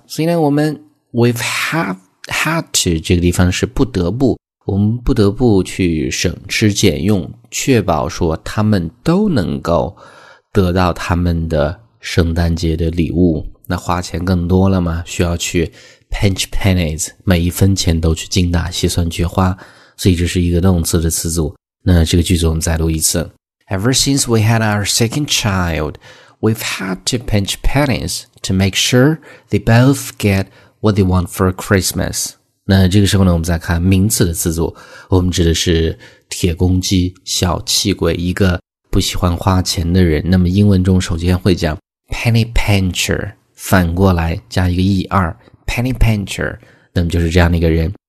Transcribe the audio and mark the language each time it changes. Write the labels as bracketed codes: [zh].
[zh] 所以呢，我们 [en] We've had to [zh] 这个地方是不得不，我们不得不去省吃俭用，确保说他们都能够得到他们的圣诞节的礼物。那花钱更多了嘛，需要去 pinch pennies, 每一分钱都去精打细算去花。所以这是一个动词的词组。那这个句子我们再读一次。 [en] Ever since we had our second child, we've had to pinch pennies to make sure they both get What they want for Christmas. [zh] 那这个时候呢，我们再看名词的词组，我们指的是铁公鸡、小气鬼，一个不喜欢花钱的人。那么英文中首先会讲 penny pincher, 反过来加一个 er, penny pincher, 那么就是这样的一个人。